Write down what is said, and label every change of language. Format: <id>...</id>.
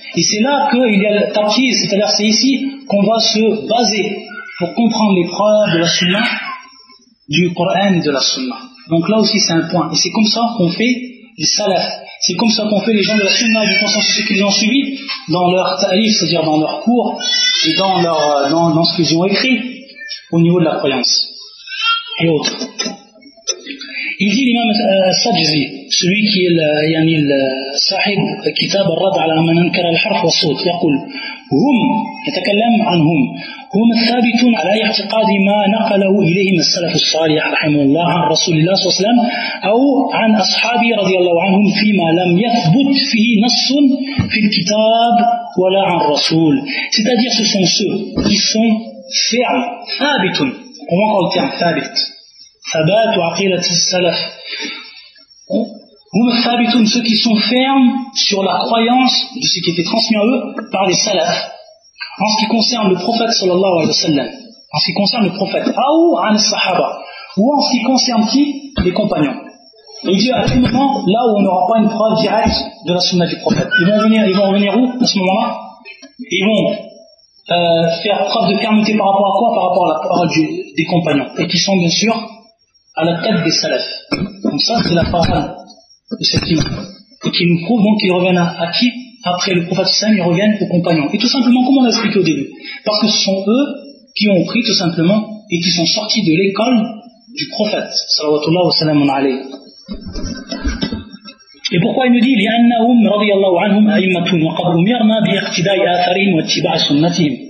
<fr>Et c'est là qu'il y a le taqiyyah, c'est-à-dire c'est ici qu'on va se baser pour comprendre les preuves de la sunna, du Coran et de la sunna. Donc là aussi c'est un point. Et c'est comme ça qu'on fait les salaf. C'est comme ça qu'on fait les gens de la sunna et du consensus qu'ils ont suivi dans leur ta'lif, c'est-à-dire dans leur cours et dans ce qu'ils ont écrit au niveau de la croyance. Et autres. Il dit l'imam Sajzi, celui qui est le sahib kitab al-rad ala man ankara al-harf wa sout, il dit</fr> <ar>هم يتكلم عنهم هم الثابت على اعتقاد ما نقله إليهم السلف الصالح رحمه الله عن رسول الله صلى الله عليه وسلم أو عن أصحابه رضي الله عنهم فيما لم يثبت فيه نص في الكتاب ولا عن الرسول.</ar> <fr>C'est-à-dire ce sont ceux qui sont</fr> <ar>فعل ثابت.</ar> <fr>Comment on dit</fr> <ar>ثابت ثبات وعقيلة السلف. Hum thabitun,</ar> <fr>ceux qui sont fermes sur la croyance de ce qui était transmis à eux par les salafs. En ce qui concerne le prophète sallallahu alayhi wa sallam, en ce qui concerne le prophète, ou an sahaba, ou en ce qui concerne qui? Les compagnons. Il dit à quel moment, là où on n'aura pas une preuve directe de la sunna du prophète. Ils vont revenir où à ce moment-là? Ils vont faire preuve de fermeté par rapport à quoi? Par rapport à la parole des compagnons. Et qui sont bien sûr à la tête des salafs. Donc ça, c'est la parole de cet imam. Et qui nous prouve donc qu'il revient à qui? Après le prophète Sam, il revient aux compagnons. Et tout simplement, comment on l'a expliqué au début? Parce que ce sont eux qui ont pris tout simplement et qui sont sortis de l'école du prophète.</fr> <ar>Salawatullah wa salam wa alayhi.</ar> <fr>Et pourquoi il nous dit</fr> <ar>لِأَنَّهُمْ رَضِيَ اللَّهُ عَنْهُمْ أَيْمَّةٌ وَقَدْ أُمِرْنَا بِيَقْتِدَاءِ آثَرِهِمْ وَاتِّبَاعِ سُنَّتِهِمْ.</ar>